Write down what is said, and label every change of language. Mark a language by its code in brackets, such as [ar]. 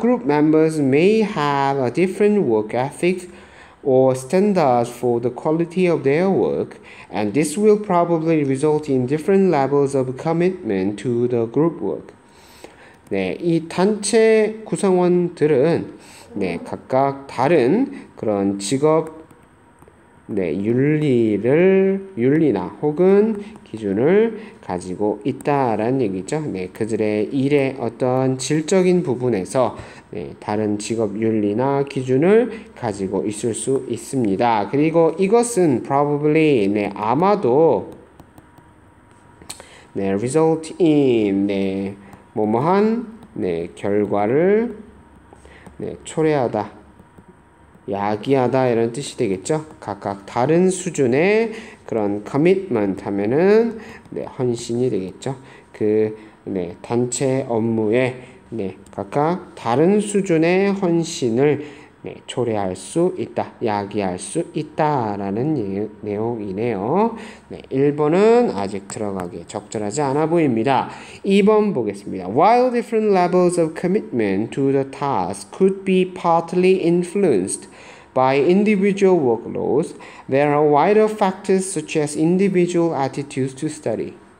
[en] Group members may have a different work ethic or standards for the quality of their work, and this will probably result in different levels of commitment to the group work. [ko] 이 단체 구성원들은 각각 다른 그런 직업 윤리나 혹은 기준을 가지고 있다라는 얘기죠. 그들의 일의 어떤 질적인 부분에서 다른 직업 윤리나 기준을 가지고 있을 수 있습니다. 그리고 이것은 probably 아마도 result in 뭐뭐한 결과를 초래하다. 야기하다 이런 뜻이 되겠죠. 각각 다른 수준의 그런 커밋먼트 하면은 헌신이 되겠죠. 그 단체 업무에 각각 다른 수준의 헌신을 초래할 수 있다, 야기할 수 있다라는 내용이네요. 1번은 아직 들어가기에 적절하지 않아 보입니다. 2번 보겠습니다. [en] While different levels of commitment to the task could be partly influenced by individual workloads, there are wider factors such as individual attitudes to study.